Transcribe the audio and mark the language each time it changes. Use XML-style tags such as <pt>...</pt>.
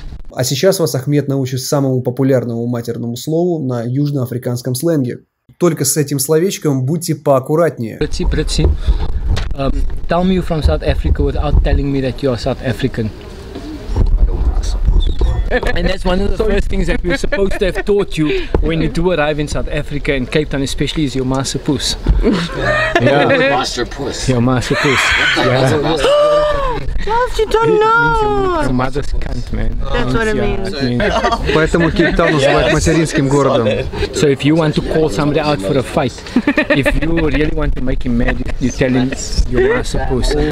<ru>А сейчас вас Ахмед научит самому популярному матерному слову на южноафриканском сленге. только с этим словечком будьте поаккуратнее.</ru> <en>Pretty, pretty. Tell me you're from South Africa without telling me that you are South African. And that's one of the first things that we're supposed to have taught you when you do arrive in South Africa and Cape Town especially is your master puss. Yeah. Master puss. Your master puss. Yeah. Love, you don't know. Your mother's cunt, man. That's what it means.</en> <ru>Поэтому Кейп Таун называют материнским городом.</ru> <en>So if you want to call somebody out for a fight, if you really want to make him mad, you tell him your master puss.</en>